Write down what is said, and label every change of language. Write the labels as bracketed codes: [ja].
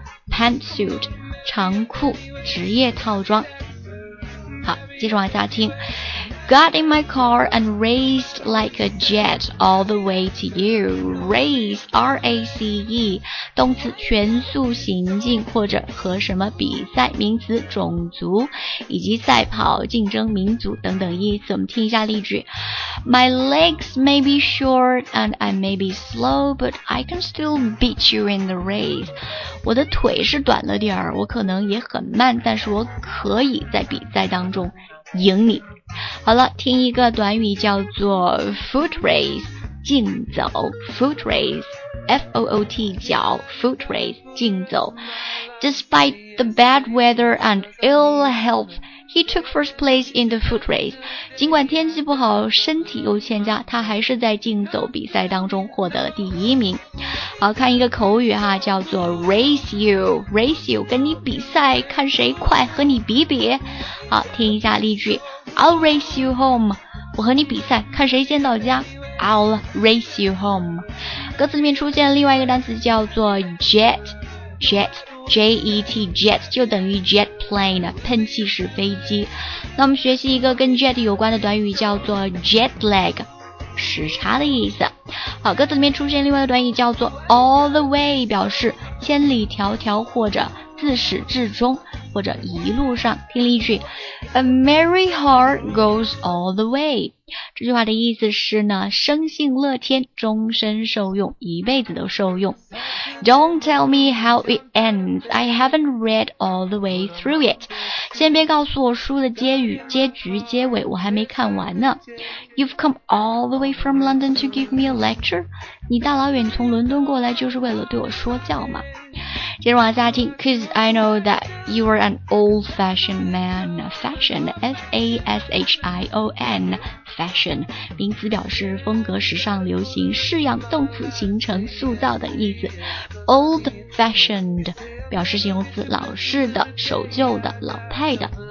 [zh] Pantsuit 长裤职业套装。好，接着往下听。 [en] Got in my car and raced like a jet all the way to you. [zh] Race, R-A-C-E， 动词全速行进或者和什么比赛，名词种族以及赛跑竞争民族等等意思。我们听一下例句。 [en] My legs may be short and I may be slow, but I can still beat you in the race. [zh] 我的腿是短了点儿，我可能也很慢，但是我可以在比赛当中赢你。好了，听一个短语叫做 foot race， 竞走。 foot race， F-O-O-T， 脚。 [en] foot race， [zh] 竞走。 [en] Despite the bad weather and ill health, he took first place in the foot race. [zh] 尽管天气不好，身体又欠佳，他还是在竞走比赛当中获得了第一名。好，看一个口语哈，叫做 [en] race you， race you， [zh] 跟你比赛，看谁快，和你比比。好，听一下例句， [en] I'll race you home， [zh] 我和你比赛，看谁先到家。 [en] I'll race you home。 [zh] 歌词里面出现另外一个单词叫做 jet， J-E-T， jet 就等于 jet plane， 喷气式飞机。那我们学习一个跟 jet 有关的短语叫做 jet lag，时差的意思。好，歌词里面出现另外一个短语叫做 all the way， 表示千里迢迢或者自始至终或者一路上。听例句， [en] A merry heart goes all the way， [zh] 这句话的意思是呢，生性乐天，终身受用，一辈子都受用。 [en] Don't tell me how it ends， I haven't read all the way through it， [zh] 先别告诉我书的结局结尾，我还没看完呢。 [en] You've come all the way from London to give me a lecture， [zh] 你大老远从伦敦过来就是为了对我说教吗？接着往下听， [en] Cause I know that you are an old-fashioned man. [zh] Fashion, F-A-S-H-I-O-N, fashion， 名词表示风格、时尚、流行；式样，动词形成、塑造等意思。 Old-fashioned 表示形容词，老式的、守旧的、老派的。